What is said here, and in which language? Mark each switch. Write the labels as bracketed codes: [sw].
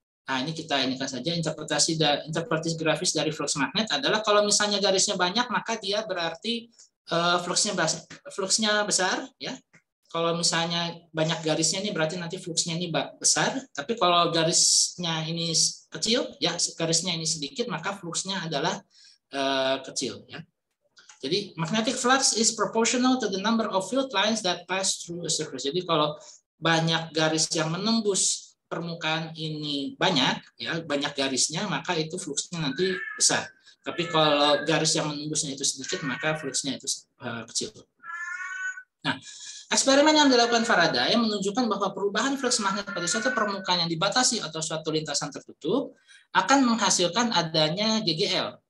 [id] Nah, ini kita inikan saja interpretasi grafis dari flux magnet adalah kalau misalnya garisnya banyak maka dia berarti fluxnya besar, ya. Kalau misalnya banyak garisnya ini berarti nanti fluxnya ini besar, tapi kalau garisnya ini kecil, ya, garisnya ini sedikit maka fluxnya adalah kecil, ya. [en] Jadi magnetic flux is proportional to the number of field lines that pass through a surface. [id] Jadi kalau banyak garis yang menembus permukaan ini banyak, ya, banyak garisnya, maka itu fluxnya nanti besar. Tapi kalau garis yang menembusnya itu sedikit, maka fluxnya itu kecil. Nah, eksperimen yang dilakukan Faraday menunjukkan bahwa perubahan flux magnet pada suatu permukaan yang dibatasi atau suatu lintasan tertutup akan menghasilkan adanya GGL.